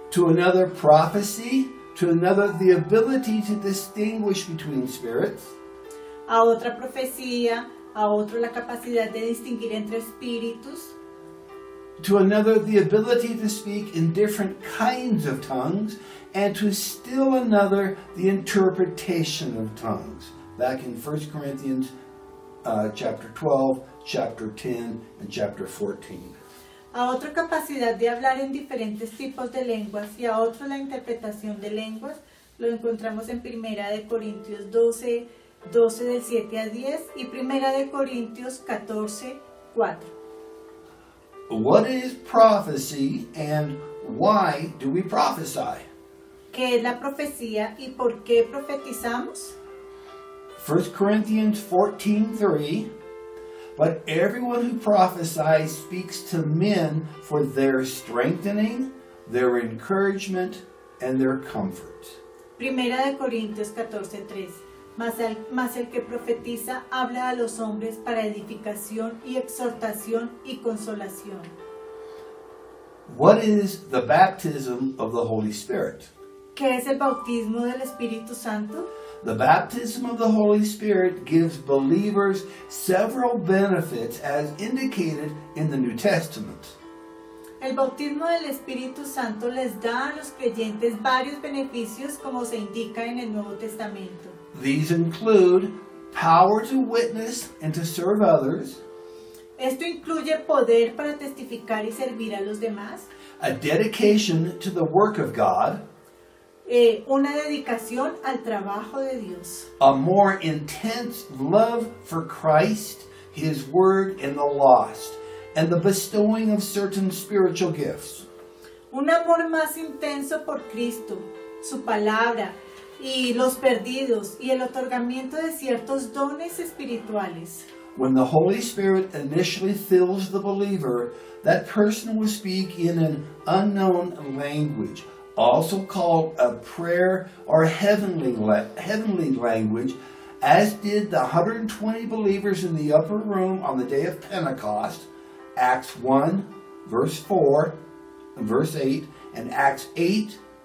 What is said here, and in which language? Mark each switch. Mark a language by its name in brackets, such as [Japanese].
[English] To another prophecy, to another the ability to distinguish between spirits. [Spanish] A otra profecía, a otro la capacidad de distinguir entre espíritus. [English] To another the ability to speak in different kinds of tongues, and to still another the interpretation of tongues. Back in 1 Corinthians chapter 12, chapter 10, and chapter 14. [Spanish] A otro capacidad de hablar en diferentes tipos de lenguas, y a otro la interpretación de lenguas, lo encontramos en 1 Corintios 12:7-10 y 1 Corintios 14:4. [English] What is prophecy and why do we prophesy? [Spanish] ¿Qué es la profecía y por qué profetizamos? [English] 1 Corinthians 14:3, but everyone who prophesies speaks to men for their strengthening, their encouragement, and their comfort. [Spanish] 1 Corintios 14:3. Mas el que profetiza habla a los hombres para edificación y exhortación y consolación. [English] What is the baptism of the Holy Spirit? [Spanish] ¿Qué es el bautismo del Espíritu Santo? [English] The baptism of the Holy Spirit gives believers several benefits as indicated in the New Testament. [Spanish] El bautismo del Espíritu Santo les da a los creyentes varios beneficios como se indica en el Nuevo Testamento. [English] These include power to witness and to serve others. [Spanish] Esto incluye poder para testificar y servir a los demás. [English] A dedication to the work of God. [Spanish] Una dedicación al trabajo de Dios. [English] A more intense love for Christ, His Word, and the lost. And the bestowing of certain spiritual gifts. [Spanish] Un amor más intenso por Cristo, su palabra, y los perdidos, y el otorgamiento de ciertos dones espirituales. [English] When the Holy Spirit initially fills the believer, that person will speak in an unknown language, also called a prayer or heavenly language, as did the 120 believers in the upper room on the day of Pentecost, Acts 1, verse 4, verse 8, and Acts 8,